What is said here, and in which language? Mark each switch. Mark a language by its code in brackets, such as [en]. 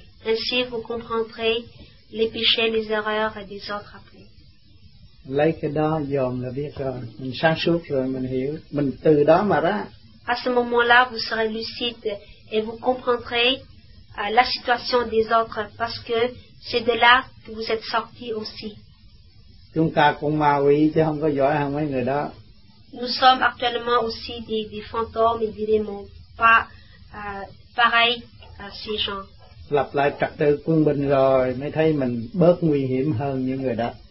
[fr] Ainsi, vous comprendrez les péchés, les erreurs des autres après. [vi] Lấy cái đó dòm là biết rồi, mình sáng suốt rồi, mình hiểu, mình từ đó mà ra. [fr] À ce moment-là, vous serez lucide et vous comprendrez la situation des autres parce que c'est de là que vous êtes sortis aussi. [vi] Chúng ta cũng ma quỷ chứ không có giỏi hơn mấy người đó. [fr] Nous sommes actuellement aussi des fantômes et des démons, pas pareil à ces gens. [vi] Lập lại trật tự quân bình rồi mới thấy mình bớt nguy hiểm hơn những người đó.